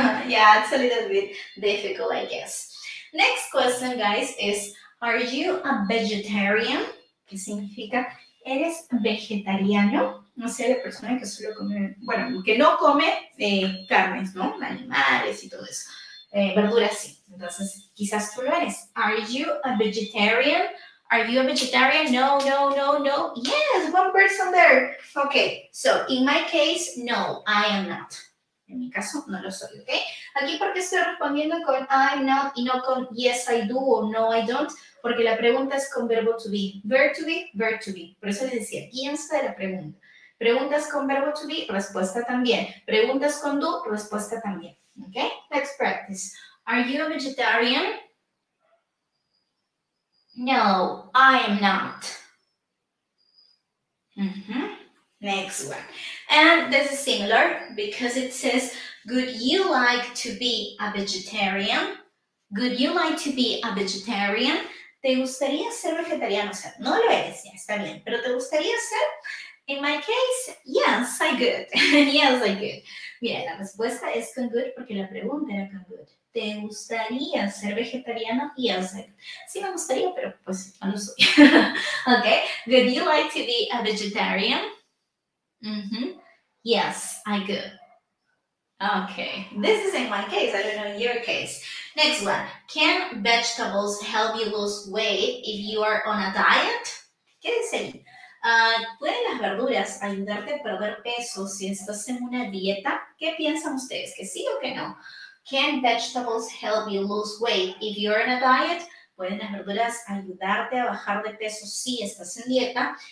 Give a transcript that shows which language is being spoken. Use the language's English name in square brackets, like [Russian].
[English] Yeah, it's a little bit difficult, I guess. Next question, guys, is, are you a vegetarian? [Spanish] ¿Qué significa? ¿Eres vegetariano? No sé, la persona que solo come, bueno, que no come carnes, ¿no? Animales y todo eso. Verduras, sí. Entonces, quizás tú lo eres. [English] Are you a vegetarian? Are you a vegetarian? No, no, no, no. Yes, one person there. Okay, so in my case, no, I am not. [Spanish] En mi caso, no lo soy, okay? Aquí porque estoy respondiendo con [English] I'm not [Spanish] y no con [English] yes, I do [Spanish] o [English] no, I don't, [Spanish] porque la pregunta es con verbo to be. [English] Verb to be, verb to be. [Spanish] Por eso les decía, piensa de la pregunta. Preguntas con verbo to be, respuesta también. Preguntas con do, respuesta también, okay? [English] Let's practice. Are you a vegetarian? No, I am not. Next one. And this is similar because it says, would you like to be a vegetarian? Would you like to be a vegetarian? [Spanish] ¿Te gustaría ser vegetariano? O sea, no lo eres, ya está bien. ¿Pero te gustaría ser? [English] In my case, yes, I could. Yes, I could. [Spanish] Mira, la respuesta es con good porque la pregunta era con good. ¿Te gustaría ser vegetariano? [English] Yes, I could. [Spanish] Sí me gustaría, pero pues no lo soy. [English] Okay. Would you like to be a vegetarian? Yes, I could. Okay. This is in my case. I don't know in your case. Next one. Can vegetables help you lose weight if you are on a diet? [Spanish] ¿Qué dice? ¿Pueden las verduras ayudarte a perder peso si estás en una dieta? ¿Qué piensan ustedes? ¿Que sí o que no? [English] Can vegetables help you lose weight if you're in a diet? [Spanish] ¿Pueden las verduras ayudarte a bajar de peso si estás en dieta?